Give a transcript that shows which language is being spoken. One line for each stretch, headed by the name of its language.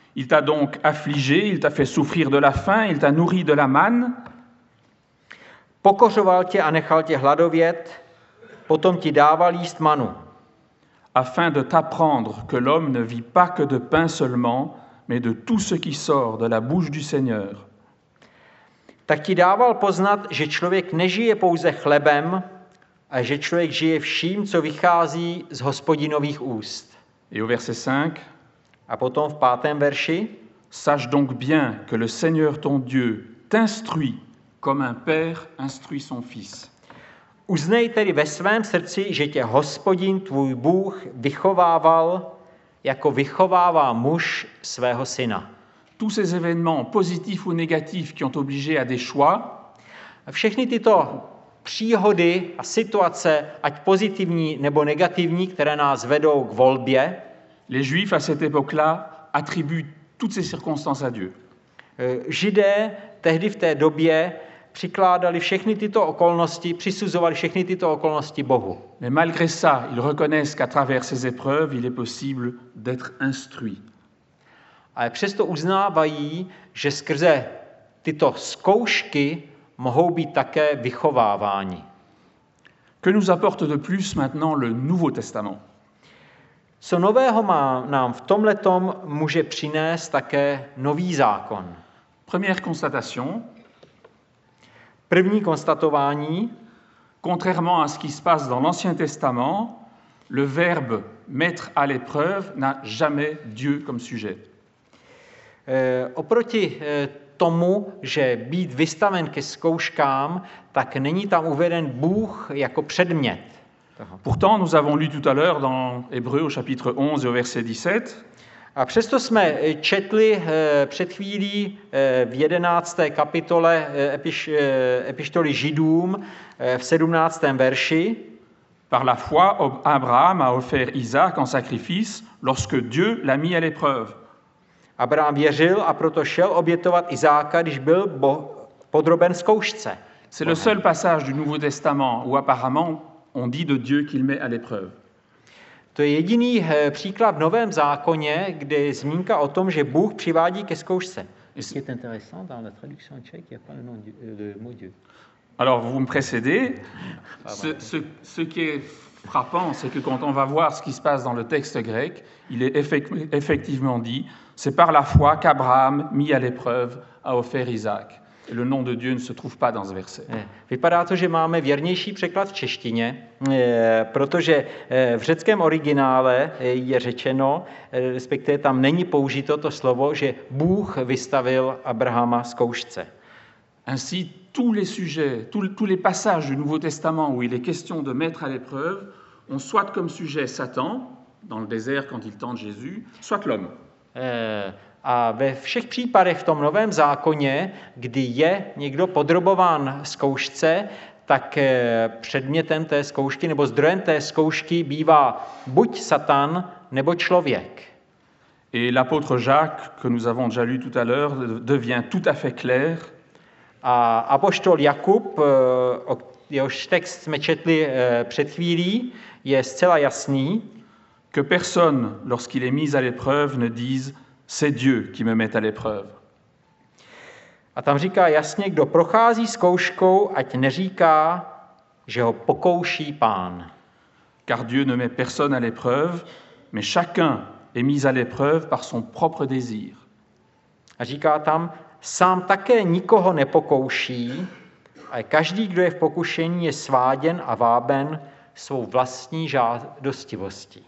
French: Il t'a donc affligé, il t'a fait souffrir de la faim, il t'a nourri de la manne.
Czech: Pokořoval tě a nechal tě hladovět, potom ti dával jíst manu.
French: Afin de t'apprendre que l'homme ne vit pas que de pain seulement, mais de tout ce qui sort de la bouche du Seigneur.
Czech: Tak ti dával poznat, že člověk nežije pouze chlebem, a že člověk žije vším, co vychází z Hospodinových úst.
French: Et au verset 5.
Czech: A potom v pátém verši.
French: Sache donc bien que le Seigneur ton Dieu t'instruit comme un père instruit son fils.
Czech: Uznej tedy ve svém srdci, že tě Hospodin tvůj Bůh vychovával jako vychovává muž svého syna.
French: Tous ces événements positifs ou négatifs qui ont obligé à des choix,
Czech: Všechny tyto příhody a situace, ať pozitivní nebo negativní, které nás vedou k volbě.
French: Les Juifs à cette époque-là attribuent toutes ces circonstances à Dieu.
Czech: Židé tehdy v té době přikládali všechny tyto okolnosti, přisuzovali všechny tyto okolnosti Bohu.
French: Mais malgré ça, ils reconnaissent qu'à travers ces épreuves, il est possible d'être instruit.
Czech: Ale přesto uznávají, že skrze tyto zkoušky mohou být také vychovávání.
French: Que nous apporte de plus maintenant le Nouveau Testament?
Czech: Co nového má nám v tomhletom může přinést také nový zákon?
French: Première constatation.
Czech: První konstatování.
French: Contrairement à ce qui se passe dans l'Ancien Testament, le verbe mettre à l'épreuve n'a jamais Dieu comme sujet.
Czech: Oproti tomu, že být vystaven ke zkouškám, tak není tam uveden Bůh jako předmět.
French: Pourtant, nous avons lu tout à l'heure dans Hébreux au chapitre 11 et au verset 17.
Czech: A přesto jsme četli před chvílí v 11. kapitole epištoly Židům v 17. verši.
French: Par la foi, Abraham a offert Isaac en sacrifice lorsque Dieu l'a mis à l'épreuve.
Czech: Abraham věřil a proto šel obětovat Izáka, když byl podroben zkoušce.
French: C'est le seul passage du Nouveau Testament où apparemment on dit de Dieu qu'il met à l'épreuve.
Czech: To je jediný příklad v Novém zákoně, kde je zmínka o tom, že Bůh přivádí ke zkoušce.
French: C'est intéressant dans la traduction tchèque, il y a pas le mot Dieu. Alors vous me précédez. Ce qui est frappant, c'est que quand on va voir ce qui se passe dans le texte grec, il est effectivement dit, c'est par la foi qu'Abraham mis à l'épreuve a offert Isaac. Le nom de Dieu ne se trouve pas dans ce verset.
Czech: Vypadá to, že máme věrnější překlad v češtině, protože v řeckém originále je řečeno, respektive tam není použito to slovo, že Bůh vystavil Abrahama zkoušce.
French: Ainsi, tous les sujets, tous les passages du Nouveau Testament où il est question de mettre à l'épreuve, ont soit comme sujet Satan, dans le désert quand il tente Jésus, soit l'homme.
Czech: A ve všech případech v tom Novém zákoně, kdy je někdo podrobován zkoušce, tak předmětem té zkoušky nebo zdrojem té zkoušky bývá buď Satan nebo člověk.
French: Et l'apôtre Jacques, que nous avons déjà lu tout à l'heure, devient tout à fait clair.
Czech: A apoštol Jakub, jehož text jsme četli před chvílí, je zcela jasný.
French: Que personne, lorsqu'il est mis à l'épreuve, ne dise c'est Dieu qui me met à l'épreuve.
Czech: A tam říká jasně, kdo prochází zkouškou, ať neříká, že ho pokouší Pán.
French: Car Dieu ne met personne à l'épreuve, mais chacun est mis à l'épreuve par son propre désir.
Czech: A říká tam, sám také nikoho nepokouší, ale každý, kdo je v pokušení, je sváděn a váben svou vlastní žádostivostí.